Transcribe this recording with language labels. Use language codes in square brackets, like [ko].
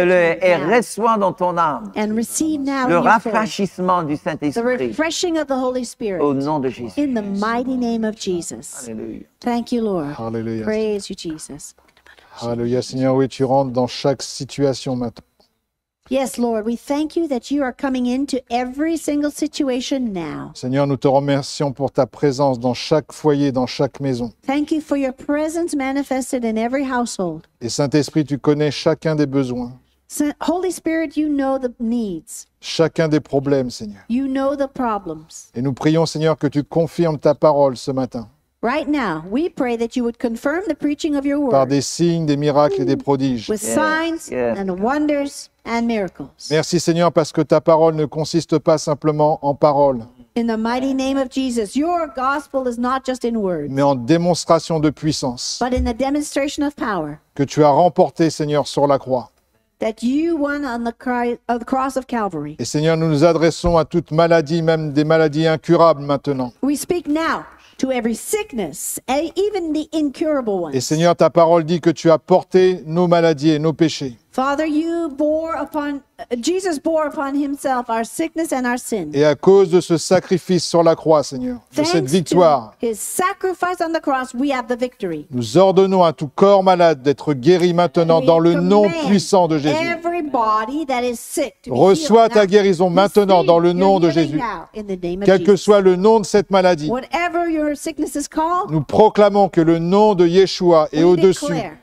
[fr] Alléluia, et reçois dans ton âme [en] and receive now [fr] le rafraîchissement du Saint-Esprit. [en] The refreshing of the Holy Spirit. [fr] Au nom de Jésus. [en] In the mighty name of Jesus. [fr] Alléluia. [en] Thank you, Lord. [fr] Alléluia. [en] Praise you, Jesus. [fr] Alléluia, Seigneur, oui, tu rentres dans chaque situation maintenant. [en] Yes, Lord, we thank you that you are coming into every single situation now. [fr] Seigneur, nous te remercions pour ta présence dans chaque foyer, dans chaque maison. [en] Thank you for your presence manifested in every household. [fr] Et Saint-Esprit, tu connais chacun des besoins. [en] Holy Spirit, you know the needs. [fr] Chacun des problèmes, Seigneur. [en] You know the problems. [fr] Et nous prions, Seigneur, que tu confirmes ta parole ce matin. [en] Right now, we pray that you would confirm the preaching of your word. [fr] Par des signes, des miracles et des prodiges. [en] With signs yes. and wonders and miracles. [fr] Merci, Seigneur, parce que ta parole ne consiste pas simplement en paroles. [en] In the mighty name of Jesus, your gospel is not just in words. [fr] Mais en démonstration de puissance. [en] But in the demonstration of power. [fr] Que tu as remporté, Seigneur, sur la croix. [en] That you won on the cross of Calvary. [fr] Et Seigneur, nous nous adressons à toute maladie, même des maladies incurables maintenant. [en] We speak now to every sickness, even the incurable ones. [fr] Et Seigneur, ta parole dit que tu as porté nos maladies et nos péchés. [en] Father, you bore upon Jesus bore upon himself our sickness and our sin. [fr] Et à cause de ce sacrifice sur la croix, Seigneur, [en] thanks [fr] de cette victoire, [en] to his sacrifice on the cross, we have the victory. [fr] Nous ordonnons à tout corps malade d'être guéri maintenant [en] we [fr] dans le nom puissant de Jésus. [en] Every body that is sick to be [fr] reçois [en] healed. [fr] Ta guérison [en] now, [fr] maintenant dans le nom de Jésus. Quel [en] Jesus. [fr] Que soit le nom de cette maladie. [en] Whatever your sickness is called. [fr] Nous proclamons que le nom de Yeshua est au-dessus